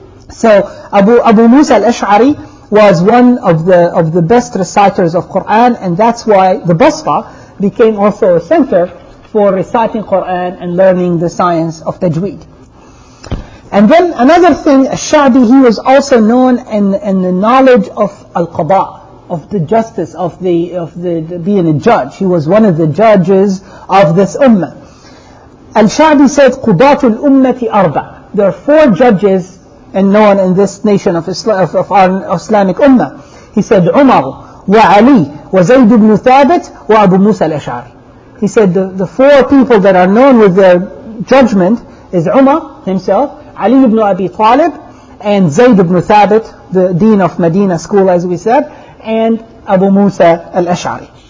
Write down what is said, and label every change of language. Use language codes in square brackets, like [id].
[en] So Abu Musa al-Ash'ari was one of the best reciters of Quran, and that's why the Basra became also a center for reciting Quran and learning the science of Tajweed. And then another thing, Ash'abi, he was also known in the knowledge of al-Qadha, of the justice, of the being a judge. He was one of the judges of this ummah. Al-Sha'bi said, [ar] قُضَاتُ الْأُمَّةِ أَرْبَعَ. [en] There are four judges and known in this nation of Islam, of our Islamic ummah. He said, [ar] عُمَرُ وَعَلِي وَزَيْدُ بْنُ ثَابِتُ وَأَبُ مُوسَى الْأَشْعَرِ. [en] He said, the four people that are known with their judgment is Umar himself, Ali ibn Abi Talib, and Zayd ibn Thabit, the dean of Medina school, as we said, and Abu Musa al-Ash'ari.